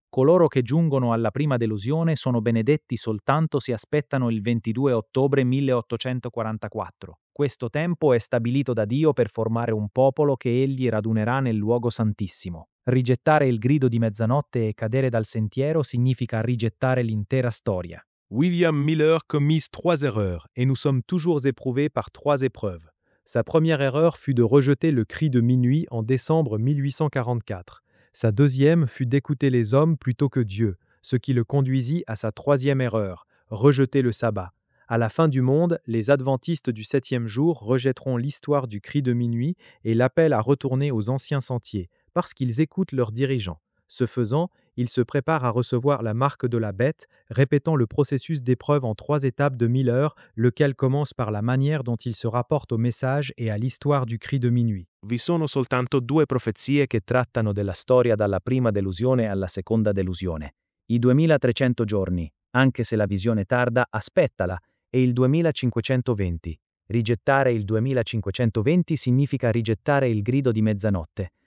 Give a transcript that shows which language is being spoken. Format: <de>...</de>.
<it>Coloro che giungono alla prima delusione sono benedetti soltanto se aspettano il 22 ottobre 1844. Questo tempo è stabilito da Dio per formare un popolo che egli radunerà nel luogo santissimo. Rigettare il grido di mezzanotte e cadere dal sentiero significa rigettare l'intera storia.</it> <fr>William Miller commise trois erreurs et nous sommes toujours éprouvés par trois épreuves. Sa première erreur fut de rejeter le cri de minuit en décembre 1844. Sa deuxième fut d'écouter les hommes plutôt que Dieu, ce qui le conduisit à sa troisième erreur, rejeter le sabbat. À la fin du monde, les adventistes du septième jour rejetteront l'histoire du cri de minuit et l'appel à retourner aux anciens sentiers, parce qu'ils écoutent leurs dirigeants. Ce faisant, ils se préparent à recevoir la marque de la bête, répétant le processus d'épreuve en trois étapes de Miller, lequel commence par la manière dont il se rapporte au message et à l'histoire du cri de minuit.</fr> <it>Vi sono soltanto due profezie che trattano della storia dalla prima delusione alla seconda delusione. I 2300 giorni, anche se la visione tarda, aspettala, e il 2520. Rigettare il 2520 significa rigettare il grido di mezzanotte.</it>